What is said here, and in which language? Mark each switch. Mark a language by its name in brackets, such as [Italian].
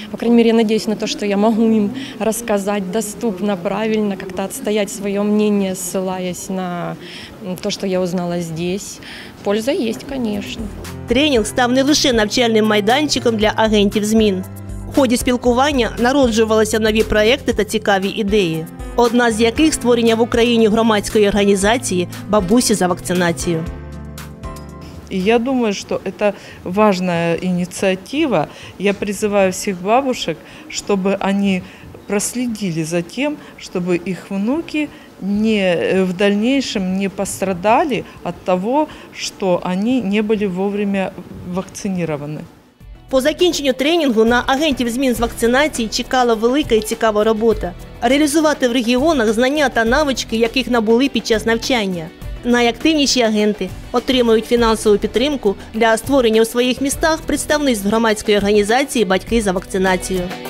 [Russian] По крайней мере, я надеюсь на то, что я могу им рассказать доступно, правильно, как-то отстоять свое мнение, ссылаясь на то, что я узнала здесь. Польза есть, конечно. [Ukrainian] Тренинг став не лише навчальним майданчиком для агентів ЗМІН. В ході спілкування народжувалися нові проекти та цікаві ідеї. Одна з яких – створення в Україні громадської організації «Бабусі за вакцинацію». [Russian] И я думаю, что это важная инициатива. Я призываю всех бабушек, чтобы они проследили за тем, чтобы их внуки не в дальнейшем не пострадали от того, что они не были вовремя вакцинированы. [Ukrainian] По закінченню тренінгу на агентів змін з вакцинації чекала велика і цікава робота – реалізувати в регіонах знання та навички, яких набули під час навчання. Найактивніші агенти отримують фінансову підтримку для створення у своїх містах представництв громадської організації «Батьки за вакцинацію».